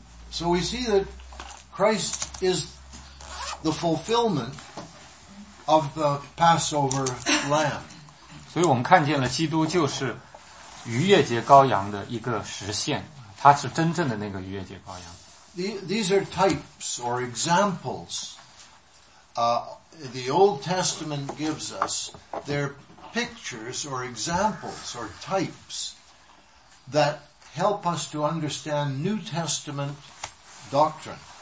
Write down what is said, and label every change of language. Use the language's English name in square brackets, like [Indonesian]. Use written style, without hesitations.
[English] So we see that Christ is the fulfillment of the Passover lamb. [Chinese] 所以我们看见了基督就是逾越节羔羊的一个实现，他是真正的那个逾越节羔羀。 [English] These are types or examples the Old Testament gives us. They're pictures or examples or types that help us to understand New Testament doctrine.